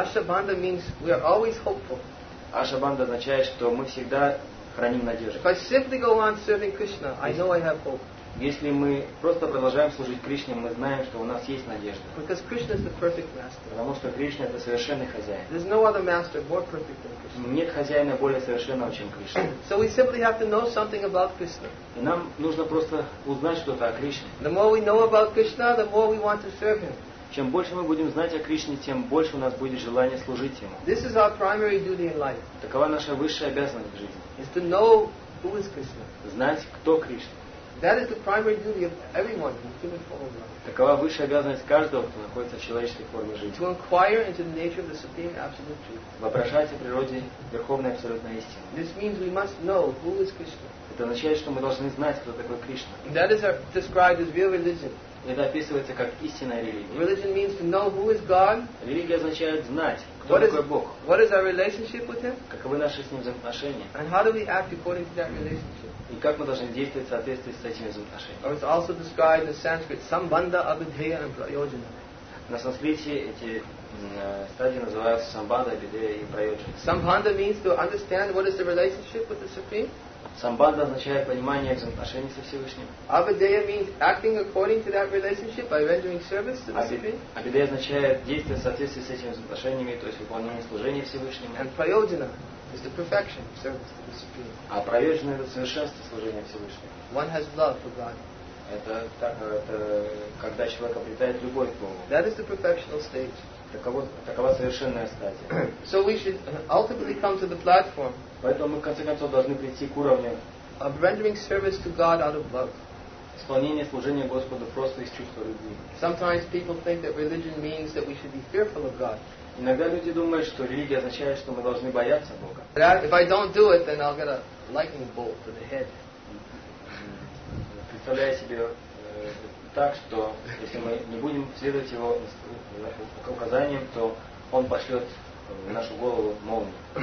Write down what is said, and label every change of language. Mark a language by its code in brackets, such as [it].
[en] Ашабанда means we are always hopeful. [ru] Ашабанда означает, что мы всегда храним надежду. [en] If I simply go on serving Krishna, I know I have hope. [ru] Если мы просто продолжаем служить Кришне, мы знаем, что у нас есть надежда. [en] Because Krishna is the perfect master. [ru] Потому что Кришна это совершенный хозяин. [en] There's no other master more perfect than Krishna. [ru] Нет хозяина более совершенного, чем Кришна. [en] So we simply have to know something about Krishna. [ru] И нам нужно просто узнать что-то о Кришне. [en] The more we know about Krishna, the more we want to serve him. [ru] Чем больше мы будем знать о Кришне, тем больше у нас будет желание служить ему. [en] This is our primary duty in life. [ru] Такова наша высшая обязанность в жизни. [en] Is to know who is Krishna. [ru] Знать, кто Кришна. [en] That is the primary duty of everyone who is human form of life. [ru] Такова высшая обязанность каждого, кто находится в человеческой форме жизни. [en] To inquire into the nature of the supreme absolute truth. [ru] Вопрошать о природе верховной абсолютной истины. [en] This means we must know who is Krishna. [ru] Это означает, что мы должны знать, кто такой Кришна. [en] That is described as real religion. [ru] Это описывается как истинная религия. [en] Religion means to know who is God. [ru] Религия означает знать, кто такой Бог. [en] What is our relationship with Him? [ru] Каковы наши с Ним взаимоотношения? [en] And how do we act according to that relationship? [ru] И как мы должны действовать в соответствии с этими взаимоотношениями? [en] Or it's also described in Sanskrit, sambandha, abhidheya, and prayojana. [ru] На санскрите эти стадии называются sambandha, abhidheya и prayojana. [en] Sambandha means to understand what is the relationship with the Supreme. [ru] Самбанда означает понимание взаимоотношений со Всевышним. [en] Абидея means acting according to that relationship by rendering service to the Supreme. [ru] Абидея означает действие в соответствии с этими взаимоотношениями, то есть выполнение служения Всевышнему. [en] And прайоджана is the perfection of service to the Supreme. [ru] А прайоджана это совершенство служения Всевышнему. [en] One has love for God. [ru] Это когда человек обретает любовь к Богу. [en] That is the perfectional stage. [ru] Такова совершенная стадия. [en] So we should ultimately come to the platform. [ru] Поэтому мы в конце концов должны прийти к уровню [en] of rendering service to God out of love. [ru] Исполнение служения Господу просто из чувства любви. [en] Sometimes people think that religion means that we should be fearful of God. [ru] Иногда люди думают, что религия означает, что мы должны бояться Бога. [en] If I don't do it, then I'll get a lightning bolt to the head. [ru] Представляю себе так, что если мы не будем следовать его указаниям, то он пошлет в нашу голову молнию.